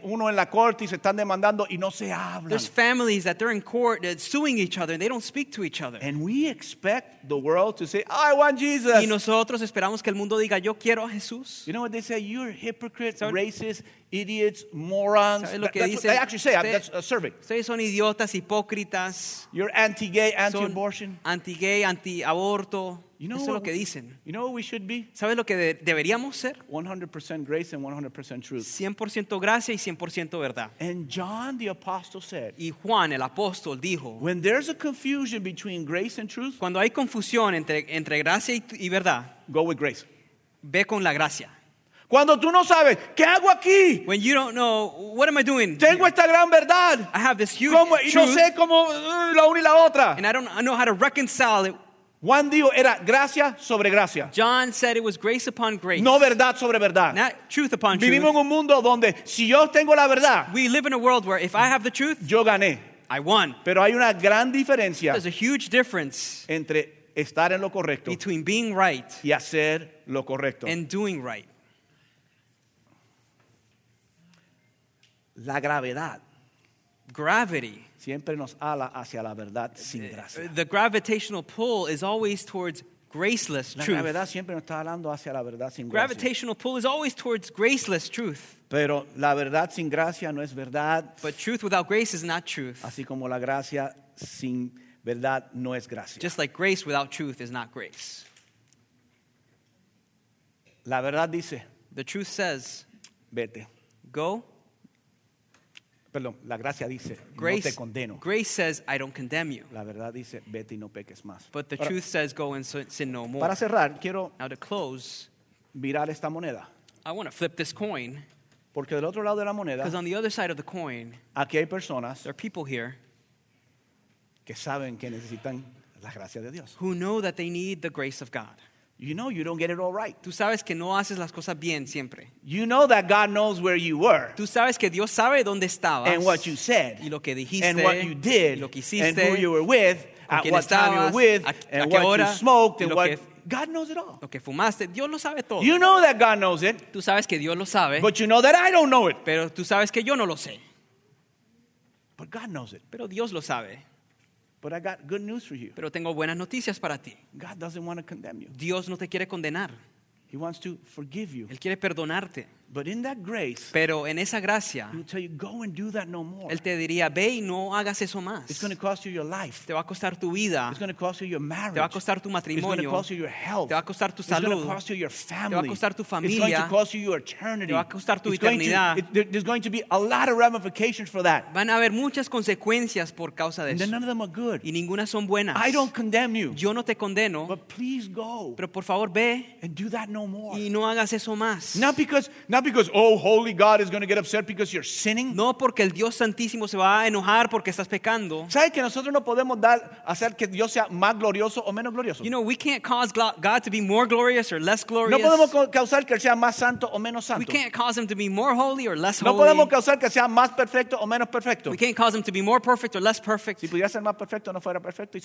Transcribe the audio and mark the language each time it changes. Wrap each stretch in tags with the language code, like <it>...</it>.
<es>tienen uno en la corte y se están demandando y no se hablan.</es> <en>There's families that they're in court that's suing each other and they don't speak to each other. And we expect the world to say, "I want Jesus."</en> <es>Y nosotros esperamos que el mundo diga, "Yo quiero a Jesús."</es> <en>You know what they say? You're hypocrites, racist, idiots, morons. They actually say that's a survey.</en> <es>Ustedes son idiotas, hipócritas.</es> <en>You're anti-gay, anti-abortion.</en> <es>Anti-gay, anti-aborto.</es> <en>You know,</en> <es>eso es lo que dicen.</es> <en>You know what we should be?</en> <es>¿Sabes lo que deberíamos ser?</es> <en>100% grace and 100% truth.</en> <es>100% gracia y 100% verdad.</es> <en>And John the apostle said.</en> <es>Y Juan el apóstol dijo.</es> <en>When there's a confusion between grace and truth.</en> <es>Cuando hay confusión entre gracia y verdad.</es> <en>Go with grace.</en> <es>Ve con la gracia. Cuando tú no sabes, ¿qué hago aquí?</es> <en>When you don't know, what am I doing?</en> <es>Tengo esta gran verdad.</es> <en>I have this huge</en> <es>¿cómo?</es> <en>Truth.</en> <es>Y no sé cómo la una y la otra.</es> <en>And I don't know how to reconcile it.</en> <es>Juan dijo, era gracia sobre gracia.</es> <en>John said it was grace upon grace.</en> <es>No verdad sobre verdad.</es> <en>Not truth upon truth.</en> <es>Vivimos en un mundo donde si yo tengo la verdad.</es> <en>We live in a world where if I have the truth.</en> <es>Yo gané.</es> <en>I won.</en> <es>Pero hay una gran diferencia.</es> <en>There's a huge difference.</en> <es>Entre estar en lo correcto.</es> <en>Between being right.</en> <es>Y hacer lo correcto.</es> <en>And doing right.</en> <es>La gravedad.</es> <en>Gravity.</en> <es>Siempre nos ala hacia la verdad sin gracia.</es> <en>The gravitational pull is always towards graceless truth.</en> <es>La gravedad siempre nos está alando hacia la verdad sin</es> <en>gracia. Gravitational pull is always towards graceless truth.</en> <es>Pero la verdad sin gracia no es verdad.</es> <en>But truth without grace is not truth.</en> <es>Así como la gracia sin verdad no es gracia.</es> <en>Just like grace without truth is not grace.</en> <es>La verdad dice.</es> <en>The truth says.</en> <es>Vete.</es> <en>Go.</en> <es>Perdón, la gracia dice,</es> <en>grace,</en> <es>no te condeno.</es> <en>Grace says, I don't condemn you.</en> <es>La verdad dice, vete y no peques más.</es> <en>But the truth says, go and sin no more.</en> <es>Para cerrar, quiero</es> <en>now to close,</en> <es>mirar esta moneda.</es> <en>I want to flip this coin.</en> <es>Porque del otro lado de la moneda,</es> <en>because on the other side of the coin,</en> <es>aquí hay personas,</es> <en>there are people here,</en> <es>que saben que necesitan la gracia de Dios.</es> <en>Who know that they need the grace of God. You know you don't get it all right.</en> <es>Tú sabes que no haces las cosas bien siempre.</es> <en>You know that God knows where you were.</en> <es>Tú sabes que Dios sabe dónde estabas.</es> <en>And what you said.</en> <es>Y lo que dijiste.</es> <en>And what you did.</en> <es>Y lo que hiciste.</es> <en>And who you were with. At what</en> <es>estabas,</es> <en>time you were with. And</en> <es>a qué</es> <en>what</en> <es>hora,</es> <en>you smoked. And what God knows it all.</en> <es>Lo que fumaste, Dios lo sabe todo.</es> <en>You know that God knows it.</en> <es>Tú sabes que Dios lo sabe.</es> <en>But you know that I don't know it.</en> <es>Pero tú sabes que yo no lo sé.</es> <en>But God knows it.</en> <es>Pero Dios lo sabe.</es> <en>But I got good news for you.</en> <es>Pero tengo buenas noticias para ti.</es> <en>God doesn't want to condemn you.</en> <es>Dios no te quiere condenar.</es> <en>He wants to forgive you.</en> <es>Él quiere perdonarte.</es> <en>But in that grace,</en> <es>pero en esa gracia,</es> <en>he'll tell you, go and do that no more.</en> <es>Él te diría, ve y no hagas eso más.</es> <en>It's going to cost you your life.</en> <es>Te va a costar tu vida.</es> <en>It's going to cost you your marriage.</en> <es>Te va a costar tu matrimonio.</es> <en>It's going to cost you your health.</en> <es>Te va a costar tu salud.</es> <en>It's going to cost you your family.</en> <es>Te va a costar tu familia.</es> <en>It's going to cost you your eternity.</en> <es>Te va a costar tu eternidad.</es> <en>There's going to be a lot of ramifications for that.</en> <es>Van a haber muchas consecuencias por causa de eso.</es> <en>And none of them are good.</en> <es>Y ninguna son buenas.</es> <en>I don't condemn you.</en> <es>Yo no te condeno.</es> <en>But please go.</en> <es>Pero por favor ve.</es> <en>And do that no more.</en> <es>Y no hagas eso más.</es> <en>Not because, oh, holy God is going to get upset because you're sinning.</en> <es>No, porque el Dios Santísimo se va a enojar porque estás pecando. ¿Sabes que nosotros no podemos hacer que Dios sea más glorioso o menos glorioso?</es> <en>You know, we can't cause God to be more glorious or less glorious.</en> <es>No podemos causar que sea más santo o menos santo.</es> <en>We can't cause him to be more holy or less holy.</en> <es>No podemos causar que sea más perfecto o menos perfecto.</es> <en>We can't cause him to be more perfect or less perfect.</en> <es>Si pudiera ser más perfecto, no fuera perfecto.</es>